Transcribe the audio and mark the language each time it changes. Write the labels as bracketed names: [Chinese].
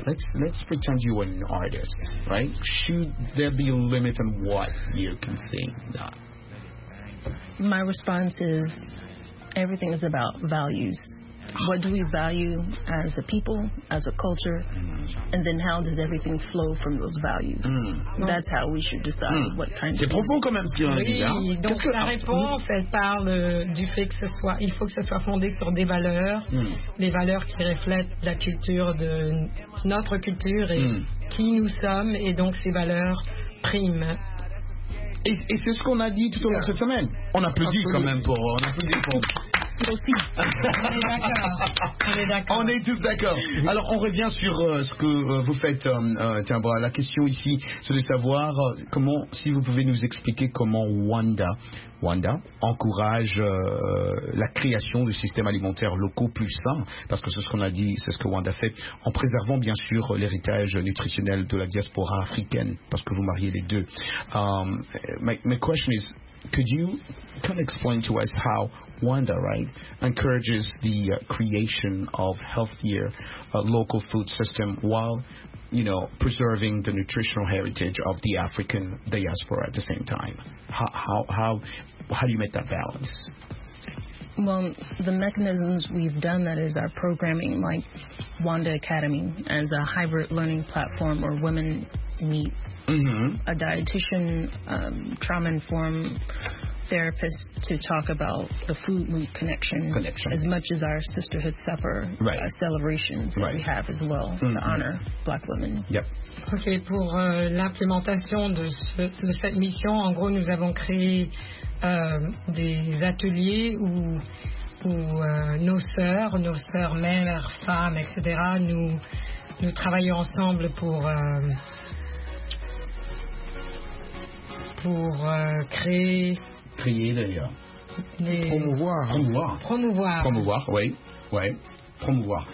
[English] Let's pretend you are an artist, right? Should there be a limit on what you can sing? No. My response is, everything is about values. What do we value as a people, as a culture, and then how does everything flow from those values? Mm. That's how we should decide what kind. [French] C'est profond quand même ce qu'il y a. Oui, donc la réponse, elle parle du fait que ce soit, il faut que ce soit fondé sur des valeurs, les valeurs qui reflètent la culture de notre culture et qui nous sommes, et donc ces valeurs priment. Et c'est ce qu'on a dit tout au long de cette semaine. On applaudit quand même pour. toi aussi. On est d'accord. On est tous d'accord. Alors, on revient sur ce que vous faites. Tiens, bon, la question ici, c'est de savoir comment, si vous pouvez nous expliquer comment Wanda encourage la création de systèmes alimentaires locaux plus sains, parce que c'est ce qu'on a dit, c'est ce que Wanda fait, en préservant bien sûr l'héritage nutritionnel de la diaspora africaine, parce que vous mariez les deux. [English] My question is, could you kind of explain to us how Wanda, right, encourages the creation of healthier local food system while, you know, preserving the nutritional heritage of the African diaspora at the same time? How do you make that balance? Well, the mechanisms we've done that is our programming, like Wanda Academy as a hybrid learning platform where women meet a dietitian, trauma-informed therapist to talk about the food loop connection as much as our sisterhood supper celebrations that we have as well to honor black women. Yep. [French] Ok, pour l'implémentation de cette mission, en gros, nous avons créé des ateliers où nos sœurs, mères, femmes, etc., nous travaillons ensemble pour promouvoir.